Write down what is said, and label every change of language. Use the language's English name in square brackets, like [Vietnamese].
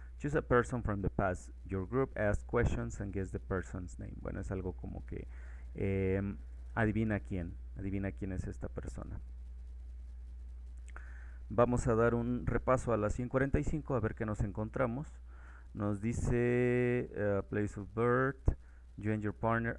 [English] Choose a person from the past. Your group asks questions and guess the person's name. [Spanish] Bueno, es algo como que adivina quién es esta persona. Vamos a dar un repaso a las 5:45 a ver qué nos encontramos. Nos dice [English] place of birth, you and your partner.